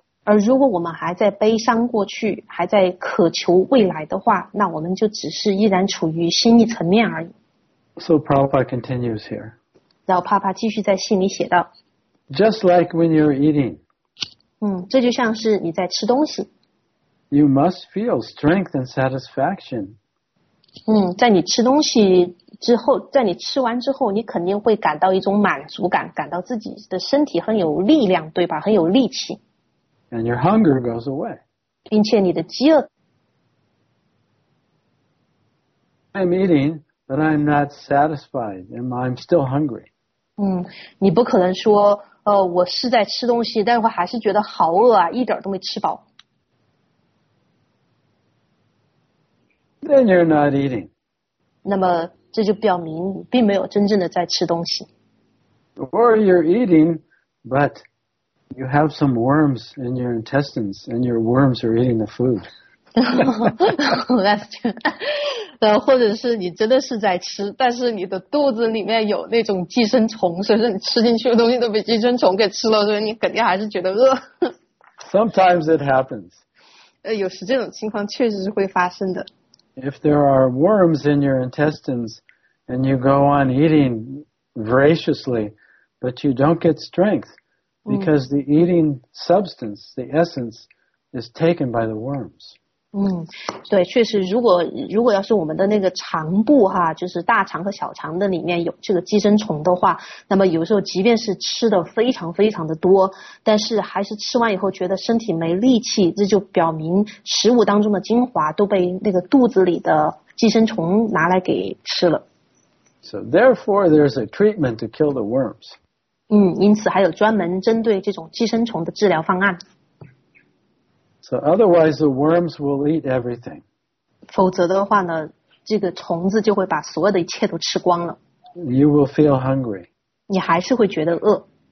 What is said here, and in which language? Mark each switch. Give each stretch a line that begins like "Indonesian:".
Chinese: 而如果我们还在悲伤过去，还在渴求未来的话，那我们就只是依然处于心理层面而已。
English: So Prabhupada continues here.
Chinese: 然后帕帕继续在信里写道。
English: Just like when you're eating.
Chinese: 这就像是你在吃东西。
English: You must feel strength and satisfaction.
Chinese: 在你吃东西之后，在你吃完之后，你肯定会感到一种满足感，感到自己的身体很有力量，对吧？很有力气。
English: And your hunger goes away.
Chinese: 并且你的饥饿。
English: I'm eating, but I'm not satisfied, and I'm still hungry.
Chinese: 你不可能说，我是在吃东西，但是我还是觉得好饿啊，一点都没吃饱。
English: Then you're not eating.
Chinese: 那么这就表明你并没有真正的在吃东西。
English: Or you're eating, but you have some worms in your intestines, and your worms are eating the food. That's true.
Chinese: 或者是你真的是在吃，但是你的肚子里面有那种寄生虫，所以说你吃进去的东西都被寄生虫给吃了，所以你肯定还是觉得饿。
English: Sometimes it happens.
Chinese: 有时这种情况确实是会发生的。
English: If there are worms in your intestines and you go on eating voraciously, but you don't get strength because the eating substance, the essence, is taken by the worms.
Chinese: 对，确实如果要是我们的那个肠部哈，就是大肠和小肠的里面有这个寄生虫的话，那么有时候即便是吃的非常非常的多，但是还是吃完以后觉得身体没力气，这就表明食物当中的精华都被那个肚子里的寄生虫拿来给吃了。
English: So therefore there's a treatment to kill the worms.
Chinese: 因此还有专门针对这种寄生虫的治疗方案。
English: So otherwise, the worms will eat everything.
Chinese: 否则的话呢，这个虫子就会把所有的一切都吃光了。
English: You will feel hungry.
Chinese: 你还是会觉得饿。